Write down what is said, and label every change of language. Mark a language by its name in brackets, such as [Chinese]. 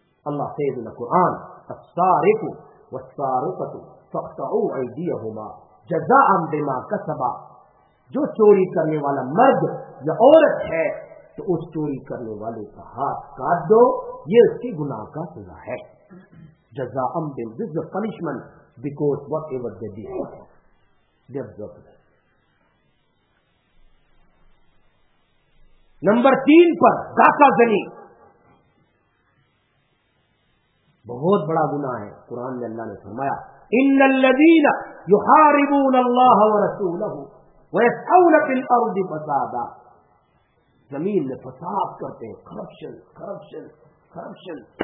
[English] Allah says in the Quran, [Arabic] السارق والسارقة فاقطعوا ايديهما جزاء بما كسبا. [Urdu] جو چوری کرنے والا مرد یا عورت ہے تو اس چوری کرنے والے کا ہاتھ کاٹ دو، یہ اس کے گناہ کا سزا ہے. [Arabic] جزاء بما [English] The punishment because whatever they did they deserve. [Urdu] Number تین پر داکا زنی، بہت بڑا گناہ ہے. قرآن میں اللہ نے فرمایا، [Arabic] ان الذين يحاربون الله ورسوله ويسعون في الارض فسادا، [Urdu] زمین میں فساد کرتے ہیں، کرپشن کرپشن کرپشن.